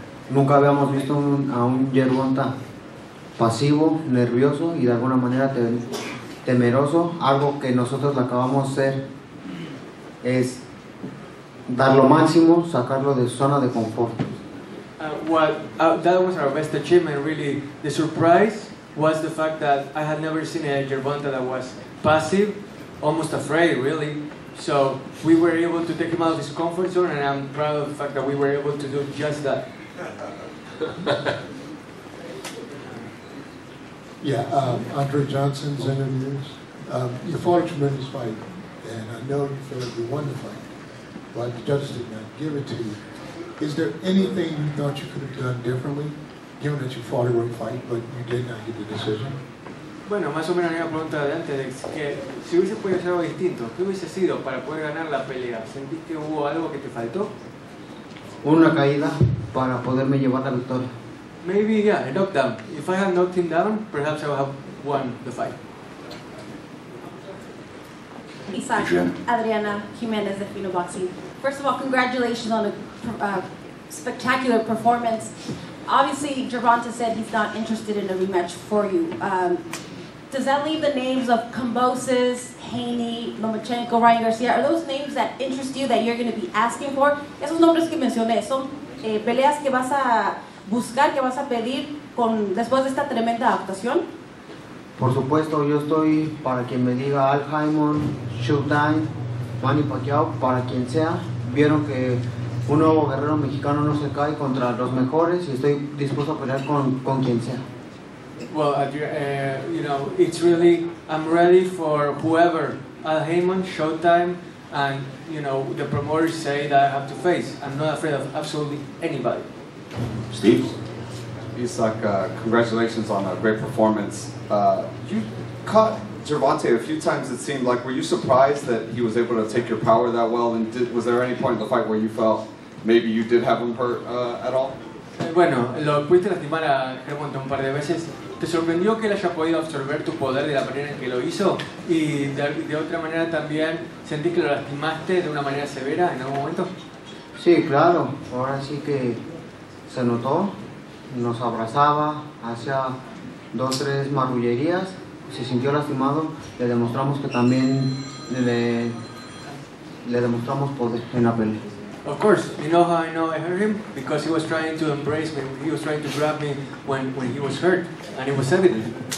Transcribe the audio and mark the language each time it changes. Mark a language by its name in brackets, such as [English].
[Spanish] Nunca habíamos visto a un Gervonta pasivo, nervioso y de alguna manera temeroso. Algo que nosotros le acabamos de hacer es dar lo máximo, sacarlo de su zona de confort. [English] That was our best achievement, really. The surprise was the fact that I had never seen a Gervonta that was passive, almost afraid, really. So we were able to take him out of his comfort zone, and I'm proud of the fact that we were able to do just that. Yeah, Andre Johnson's interviews. You fought a tremendous fight, and I know you felt you won the fight, but the judges did not give it to you. Is there anything you thought you could have done differently, given that you fought a great fight, but you did not get the decision? [Spanish] Bueno, más o menos la pregunta de antes es que si hubiese podido hacer algo distinto, ¿qué hubiese sido para poder ganar la pelea? ¿Sentiste que hubo algo que te faltó? Una caída para poderme llevar la victoria. [English] Maybe, yeah, a knockdown. If I had knocked him down, perhaps I would have won the fight. Isaac, Adriana Jimenez of Fino Boxing. First of all, congratulations on a spectacular performance. Obviously, Gervonta said he's not interested in a rematch for you. Does that leave the names of Kambosis, Haney, Lomachenko, Ryan Garcia? Are those names that interest you that you're going to be asking for? [Spanish] Esos nombres que mencioné son peleas que vas a buscar, que vas a pedir con después de esta tremenda actuación. Por supuesto, yo estoy para quien me diga Al Haymon, Showtime, Manny Pacquiao, para quien sea. Vieron que un nuevo guerrero mexicano no se cae contra los mejores y estoy dispuesto a pelear con quien sea. [English] Well, you know, it's really, I'm ready for whoever, Al Haymon, Showtime, and, you know, the promoters say that I have to face. I'm not afraid of absolutely anybody. Steve? Isaac, congratulations on a great performance. You caught Gervonta a few times, it seemed like. Were you surprised that he was able to take your power that well? And was there any point in the fight where you felt maybe you did have him hurt at all? [Spanish] Bueno, lo pudiste lastimar a Gervonta un par de veces. ¿Te sorprendió que él haya podido absorber tu poder de la manera en que lo hizo? Y de otra manera también, ¿sentís que lo lastimaste de una manera severa en algún momento? Sí, claro. Ahora sí que se notó. Nos abrazaba, hacía dos, tres marrullerías. Se sintió lastimado. Le demostramos que también le demostramos poder en la pelea. [English] Of course, you know how I know I hurt him? Because he was trying to embrace me, he was trying to grab me when he was hurt, and it was evident.